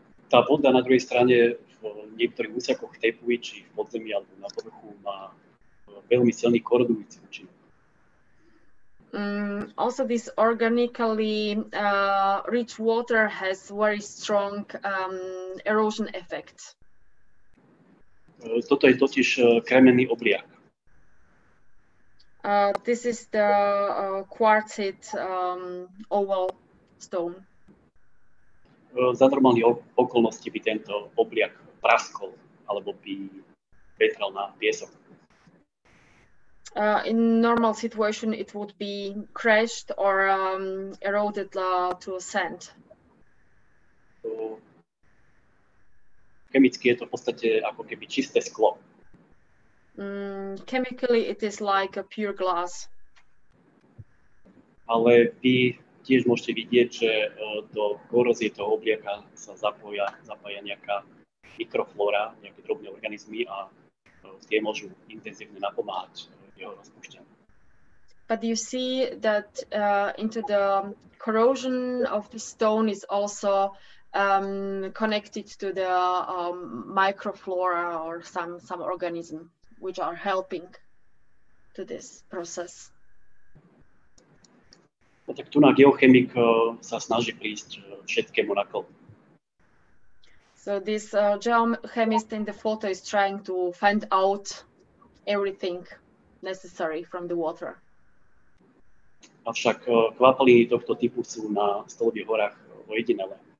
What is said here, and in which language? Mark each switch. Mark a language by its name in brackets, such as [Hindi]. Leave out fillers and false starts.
[Slovak] Tá voda na druhej strane v niektorých úsekoch Tepui, či v podzemí alebo na povrchu, má veľmi silný korodujúci účinok. [English] Also, this organically rich water has very strong erosion effect. [Slovak] Toto je totiž kremenný obliak. [English] This is the quartzite oval stone. [Slovak] Za normálnych okolností by tento obliak praskol alebo by vetral na piesok. [English] In normal situation it would be crashed or eroded to sand. [Slovak] Chemicky je to v podstate ako keby čisté sklo. [English] Chemically it is like a pure glass. [Slovak] Ale vy tiež môžete vidieť, že do korozie toho obliaka sa zapája nejaká mikroflóra, nejaké drobné organizmy a tie môžu intenzívne napomáhať jeho rozpúšťaniu. [English] But you see that into the corrosion of the stone is also connected to the microflora or some organism which are helping to this process. [Slovak] No, tak tu na geochemik sa snaží prísť všetkému na kĺb. [English] So this geochemist in the photo is trying to find out everything necessary from the water. [Slovak] Avšak kvapaliny tohto typu sú na Stolových horách ojedinelé.